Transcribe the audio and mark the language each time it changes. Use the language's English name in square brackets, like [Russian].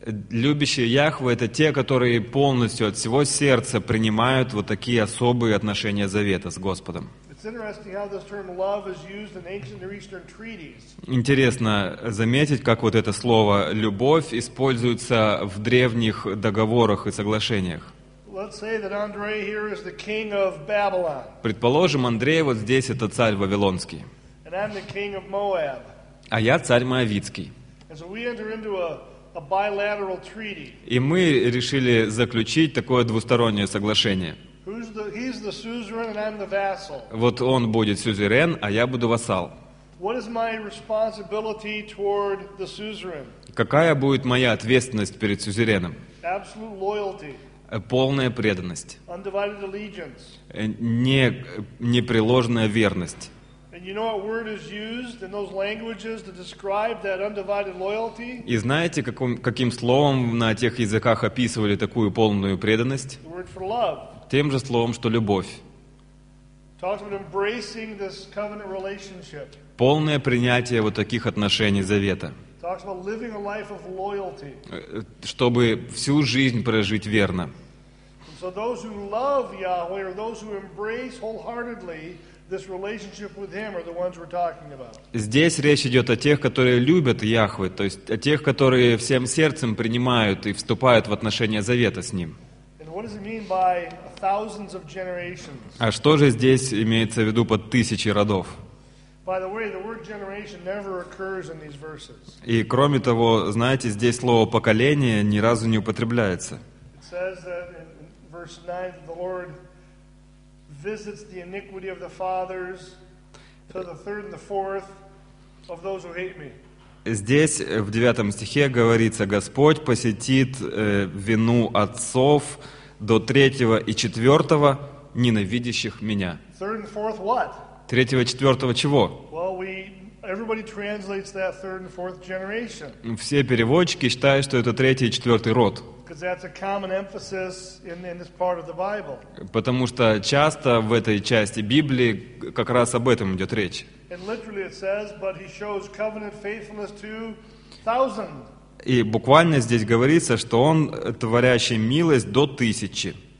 [Russian] Любящие Яхве — это те, которые полностью от всего сердца принимают вот такие особые отношения завета с Господом. Интересно заметить, как вот это слово «любовь» используется в древних договорах и соглашениях. [English] Let's say that Andrei here is the king of Babylon. [Russian] Предположим, Андрей вот здесь это царь вавилонский. [English] And I'm the king of Moab. [Russian] А я царь моавитский. [English] And so we enter into a bilateral treaty. [Russian] И мы решили заключить такое двустороннее соглашение. [English] He's the suzerain and I'm the vassal. [Russian] Вот он будет сюзерен, а я буду вассал. [English] What is my responsibility toward the suzerain? [Russian] Какая будет моя ответственность перед сюзереном? [English] Absolute loyalty. [Russian] Полная преданность. [English] Undivided allegiance. [Russian] Непреложная верность. [English] And you know what word is used in those languages to describe that undivided loyalty? [Russian] И знаете, каким словом на тех языках описывали такую полную преданность? [English] The word for love. [Russian] Тем же словом, что любовь. [English] Talks about embracing this covenant relationship. [Russian] Полное принятие вот таких отношений завета. [English] Talks about living a life of loyalty. [Russian] Чтобы всю жизнь прожить верно. [English] And so those who love Yahweh or those who embrace wholeheartedly this relationship with Him are the ones we're talking about. [Russian] Здесь речь идет о тех, которые любят Яхве, то есть о тех, которые всем сердцем принимают и вступают в отношения завета с Ним. [English] And what does it mean by thousands of generations? [Russian] А что же здесь имеется в виду под тысячи родов? [English] By the way, the word generation never occurs in these verses. [Russian] И кроме того, знаете, здесь слово поколение ни разу не употребляется. [English] It says that in verse 9 that the Lord visits the iniquity of the fathers to the third and the fourth of those who hate me. [Russian] Здесь в 9 стихе говорится: Господь посетит вину отцов до третьего и четвертого ненавидящих меня. [English] Third and fourth what? [Russian] Третьего, четвертого чего? [English] Well, everybody translates that third and fourth generation. [Russian] Все переводчики считают, что это третий и четвертый род. [English] Because that's a common emphasis in this part of the Bible. [Russian] Потому что часто в этой части Библии как раз об этом идет речь. [English] And literally it says, but he shows covenant faithfulness to thousands. [Russian] И буквально здесь говорится, что Он творящий милость до тысячи.